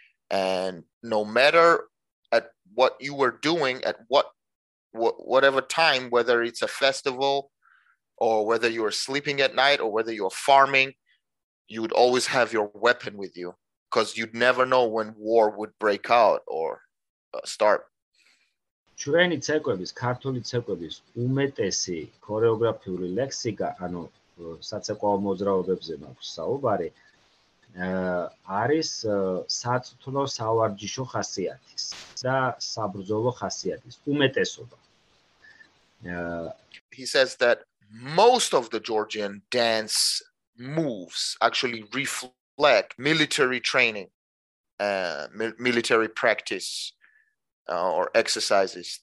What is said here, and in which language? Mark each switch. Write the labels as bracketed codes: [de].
[en] And no matter at what you were doing, at whatever time, whether it's a festival or whether you're sleeping at night or whether you're farming, you would always have your weapon with you because you'd never know when war would break out or start. [ka] ჩვენი ცეკვების, ქართული ცეკვების უმეტესი ქორეოგრაფიული ლექსიკა, ანუ საცეკვაო მოძრაობებზე მაქვს საუბარი, არის საწვრთნო სავარჯიშო ხასიათის და საბრძოლო ხასიათის უმეტესობა. [en] He says that most of the Georgian dance moves actually reflect military training, military practice, or exercises.